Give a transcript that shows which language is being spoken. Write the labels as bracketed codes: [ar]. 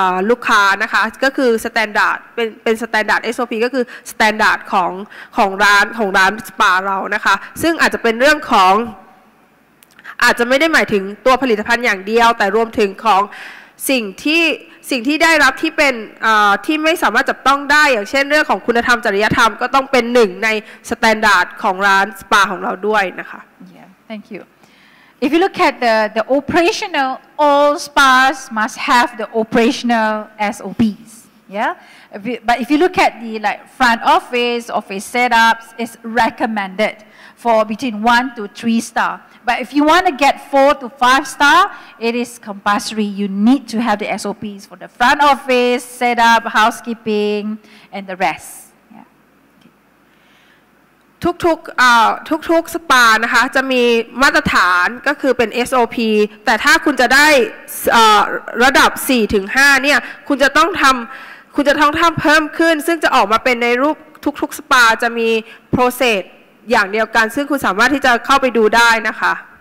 [th] ลูกค้านะคะก็คือสแตนดาร์ดเป็นสแตนดาร์ด SOP ก็คือสแตนดาร์ดของร้านสปาเรานะคะซึ่งอาจจะเป็นเรื่องของอาจจะไม่ได้หมายถึงตัวผลิตภัณฑ์อย่างเดียวแต่รวมถึงของสิ่งที่ได้รับที่เป็นที่ไม่สามารถจับต้องได้อย่างเช่นเรื่องของคุณธรรมจริยธรรมก็ต้องเป็นหนึ่งในสแตนดาร์ดของร้านสปาของเราด้วยนะคะ [en] Yeah, thank you. If you look at the operational, all spas must have the operational SOPs. Yeah, but if you look at the like front office setups, it's recommended for between 1-3 star. But if you want to get 4-5 star, it is compulsory. You need to have the SOPs for the front office, setup, housekeeping, and the rest. Yeah. Okay. [th] ทุกสปานะคะจะมีมาตรฐานก็คือเป็น SOP แต่ถ้าคุณจะได้ระดับ 4-5 เนี่ยคุณจะต้องทำเพิ่มขึ้นซึ่งจะออกมาเป็นในรูปทุกสปาจะมี processอย่างเดียวกันซึ่งคุณสามารถที่จะเข้าไปดูได้นะคะ